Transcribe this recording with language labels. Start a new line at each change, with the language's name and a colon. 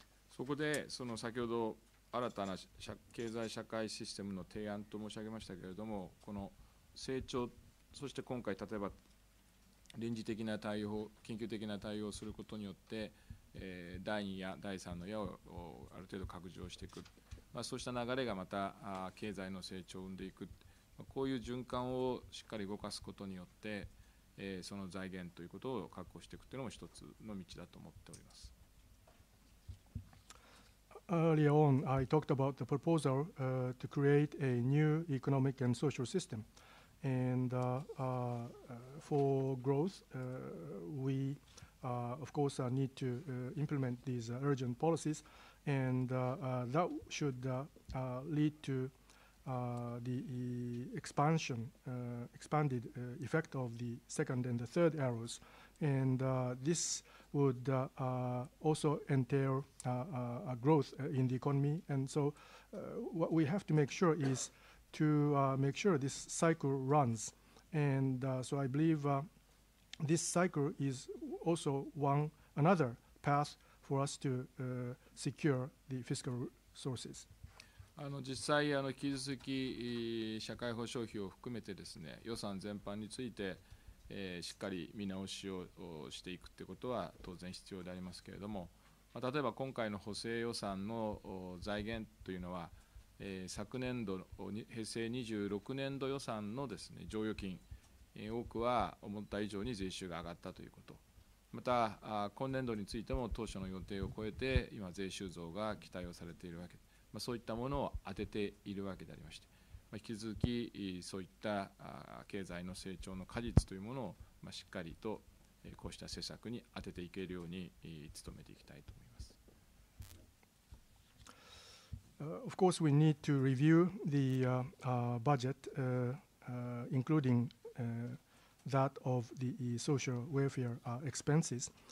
Japanese: そこで、その先ほど新たな経済社会システムの提案と申し上げましたけれども、この成長、そして今回、例えば臨時的な対応、緊急的な対応をすることによって、第2や第3の矢をある程度拡充していく、まあ、そうした流れがまた経済の成長を生んでいく。こういう循環をしっかり動かすことによって、その財源ということを確保していくというのも一つの道だと思っております。
English: Earlier on, I talked about the proposal to create a new economic and social system. And for growth, we of course need to implement these urgent policies, and that should lead toThe expansion, expanded effect of the second and the third arrows. And this would also entail a growth in the economy. And so what we have to make sure is to make sure this cycle runs. And so I believe this cycle is also another path for us to secure the fiscal resources.
Japanese: 実際、引き続き社会保障費を含めてですね、予算全般について、しっかり見直しをしていくということは当然必要でありますけれども、まあ、例えば今回の補正予算の財源というのは、昨年度の平成26年度予算のですね、剰余金、多くは思った以上に税収が上がったということ、また今年度についても当初の予定を超えて今、税収増が期待をされているわけです。そういったものを当てているわけでありまして、引き続きそういった経済の成長の果実というものをしっかりとこうした施策に当てていけるように努めていきたいと思います。
English: Of course, we need to review the budget, including that of the social welfare expenses.